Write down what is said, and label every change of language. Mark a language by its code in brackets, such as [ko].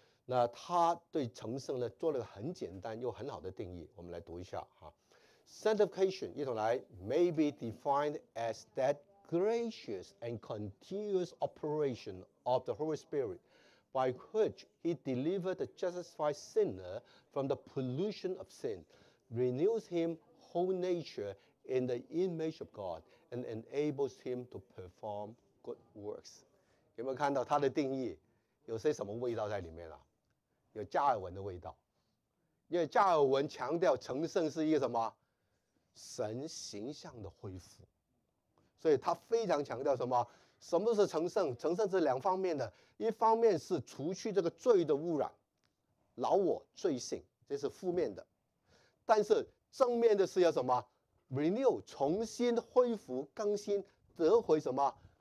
[zh] 那他对成圣呢做了个很简单又很好的定义，我们来读一下哈。 [en] Sanctification [zh] 一同来 [en] ，may be defined as that gracious and continuous operation of the Holy Spirit by which He delivered the justified sinner from the pollution of sin, renews him whole nature in the image of God, and enables him to perform good works。 [zh] 有没有看到他的定义？有些什么味道在里面啊？有加尔文的味道，因为加尔文强调成圣是一个什么神形象的恢复，所以他非常强调什么？什么是成圣？成圣是两方面的，一方面是除去这个罪的污染，老我罪性，这是负面的；但是正面的是要什么 ？renew 重新恢复、更新、得回什么？